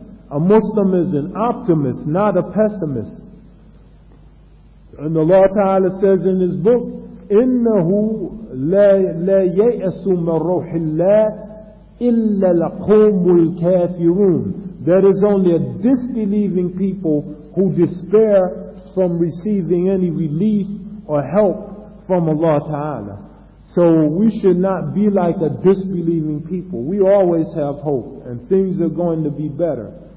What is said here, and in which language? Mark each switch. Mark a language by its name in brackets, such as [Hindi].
[English] A Muslim is an optimist, not a pessimist. And Allah Ta'ala says in His book, [Arabic] إِنَّهُ لَا يَيْأَسُ مَنْ رَوْحِ اللَّهِ إِلَّا الْقَوْمُ الْكَافِرُونَ. [English] There is only a disbelieving people who despair from receiving any relief or help from Allah Ta'ala. So we should not be like a disbelieving people. We always have hope and things are going to be better.